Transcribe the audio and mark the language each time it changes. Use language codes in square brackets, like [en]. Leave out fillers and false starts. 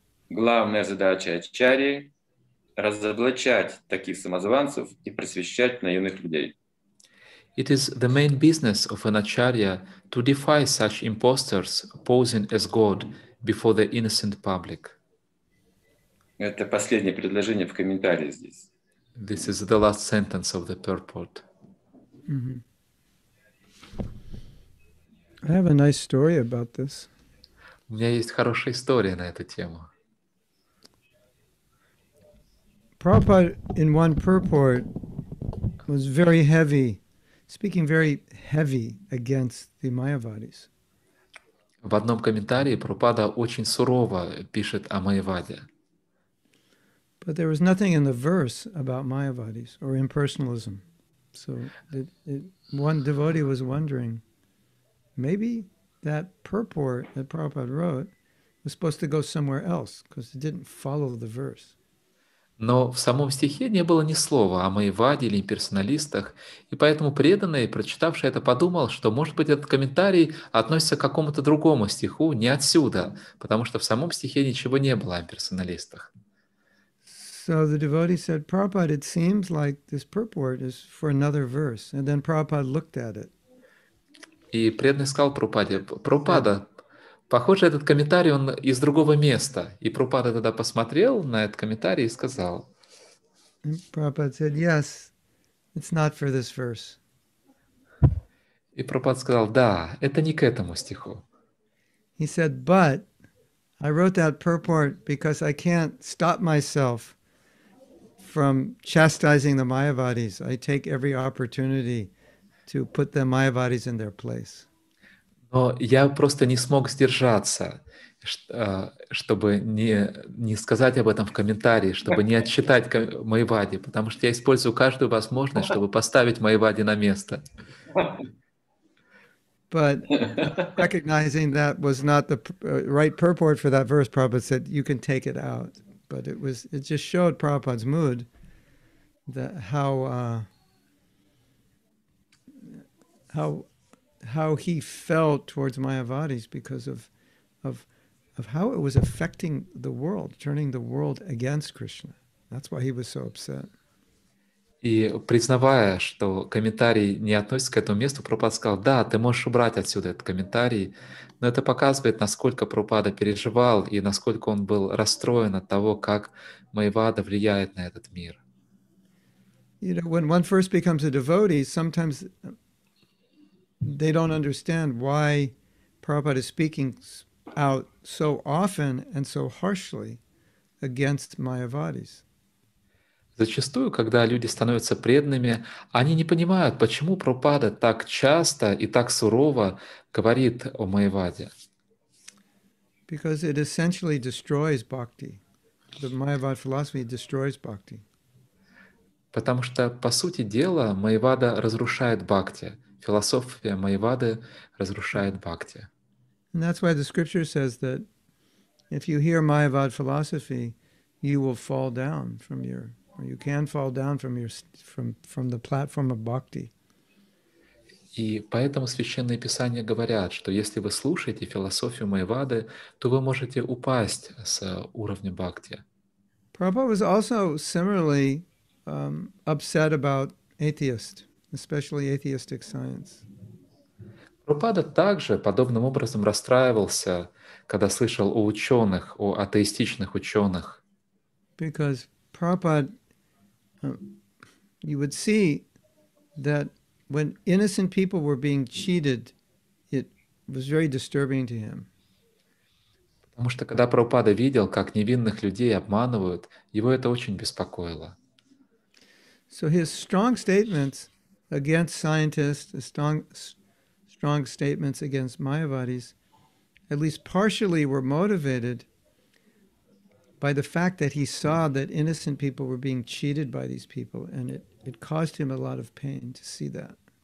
[ru] Главная задача ачарьи — разоблачать таких самозванцев и просвещать наивных людей. [en] It is the main business of an acharya to defy such imposters posing as God before the innocent public. [ru] Это последнее предложение в комментарии здесь. [en] This is the last sentence of the purport. Mm-hmm. I have a nice story about this. [ru] У меня есть хорошая история на эту тему. [en] Prabhupada in one purport was very heavy, speaking very heavy against the Mayavadis. [ru] В одном комментарии Прабхупада очень сурово пишет о Майяваде. [en] But there was nothing in the verse about Mayavadis or impersonalism. So one devotee was wondering, maybe that purport that Prabhupada wrote was supposed to go somewhere else because it didn't follow the verse. [ru] Но в самом стихе не было ни слова о Майяваде или имперсоналистах, и поэтому преданный, прочитавший это, подумал, что, может быть, этот комментарий относится к какому-то другому стиху, не отсюда, потому что в самом стихе ничего не было о имперсоналистах. [en] So the devotee said, Prabhupada, it seems like this purport is for another verse. And then Prabhupada looked at it. [ru] И преданный сказал Прабхупаде, Прабхупада, похоже, этот комментарий, он из другого места. И Прабхупада тогда посмотрел на этот комментарий и сказал. [en] And Prabhupada said, yes, it's not for this verse. [ru] И Прабхупада сказал, да, это не к этому стиху. [en] He said, but I wrote that purport because I can't stop myself from chastising the Mayavadis. I take every opportunity to put the Mayavadis in their place. [ru] Но я просто не смог сдержаться, чтобы не сказать об этом в комментарии, чтобы не отчитать Майвади, потому что я использую каждую возможность, чтобы поставить Майвади на место. [en] But recognizing that was not the right purport for that verse, Prabhupada said, you can take it out. But it was, it just showed Prabhupada's mood, that how he felt towards Mayavadis because of how it was affecting the world, turning the world against Krishna. That's why he was so upset. [ru] И признавая, что комментарий не относится к этому месту, Прабхупада сказал, да, ты можешь убрать отсюда этот комментарий, но это показывает, насколько Прабхупада переживал и насколько он был расстроен от того, как Майвада влияет на этот мир. [en] You know, when one first becomes a devotee, sometimes they don't understand why Prabhupada is speaking out so often and so harshly against Mayavadis. [ru] Зачастую, когда люди становятся преданными, они не понимают, почему Прабхупада так часто и так сурово говорит о Майаваде. [en] Because it essentially destroys bhakti. The Mayavad philosophy destroys bhakti. [ru] Потому что, по сути дела, Майавада разрушает бхакти. Философия Майавады разрушает бхакти. [en] And that's why the scripture says that if you hear Mayavad philosophy, you will fall down from your... You can fall down from the platform of bhakti. [ru] И поэтому священные писания говорят, что если вы слушаете философию Майвады, то вы можете упасть с уровня бхакти. [en] Prabhupada was also similarly upset about atheists, especially atheistic science. [ru] Прабхупада также подобным образом расстраивался, когда слышал о ученых, о атеистичных ученых. [en] Because Prabhupada you would see that when innocent people were being cheated, it was very disturbing to him. [ru] Потому что когда Прабхупада видел, как невинных людей обманывают, его это очень беспокоило. [en] So his strong statements against scientists, strong statements against Mayavadis, at least partially were motivated by the fact that he saw that innocent people were being cheated by these people, and it caused him a lot of pain to see that.